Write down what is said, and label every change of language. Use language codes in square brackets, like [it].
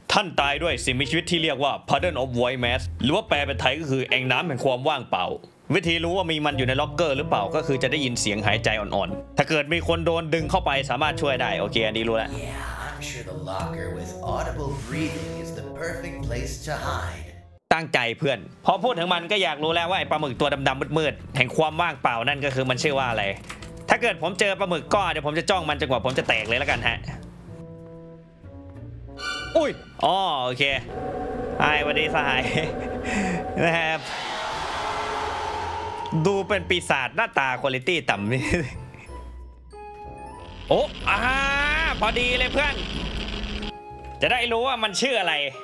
[th] ท่านตายด้วยสิ่งมีชีวิตที่เรียกว่า Pattern of White Mass หรือว่าแปลเป็นไทยก็คือแอ่งน้ำแห่งความว่างเปล่าวิธีรู้ว่ามีมันอยู่ในล็อกเกอร์หรือเปล่าก็คือจะได้ยินเสียงหายใจอ่อนๆถ้าเกิดมีคนโดนดึงเข้าไปสามารถช่วยได้โอเคอันนี้รู้แล้ว [en] Yeah, I'm sure the locker with audible breathing is the perfect place to hide [th] ตั้งใจเพื่อนพอพูดถึงมันก็อยากรู้แล้วว่าไอ้ปลาหมึกตัวดำๆมืดๆแห่งความว่างเปล่านั่นก็คือมันชื่อว่าอะไรถ้าเกิดผมเจอปลาหมึกก็เดี๋ยวผมจะจ้องมันจนกว่าผมจะแตกเลยละกันฮะอุ้ยอ๋อโอเคไอ้สวัสดีสหายนะครับดูเป็นปีศาจหน้าตาคุณภาพต่ำนี่โอ้อ่าพอดีเลยเพื่อนจะได้รู้ว่ามันชื่ออะไร